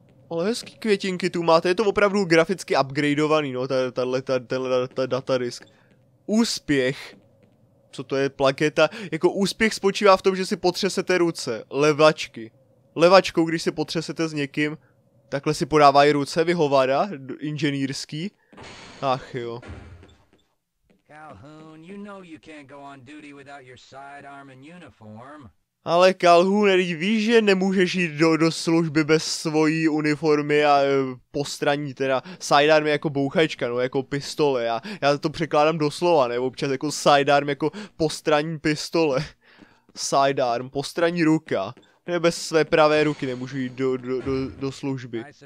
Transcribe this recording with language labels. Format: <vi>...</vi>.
<cs>Ale hezký květinky tu máte, je to opravdu graficky upgradeovaný, no, tenhle datadisk. Úspěch. Co to je, plaketa? Jako úspěch spočívá v tom, že si potřesete ruce, levačky. Levačkou, když si potřesete s někým, takhle si podávají ruce, vyhovada, inženýrský. Ach jo.</cs> <en>Calhoun, you know you can't go on duty without your sidearm and uniform.</en> <cs>Ale Calhoun, teď víš, že nemůžeš jít do služby bez svojí uniformy a postraní, teda sidearm jako bouchačka, no jako pistole. Já to překládám doslova, ne, občas jako sidearm jako postraní pistole. Sidearm, postraní ruka. Ne, bez své pravé ruky nemůžu jít do služby.</cs>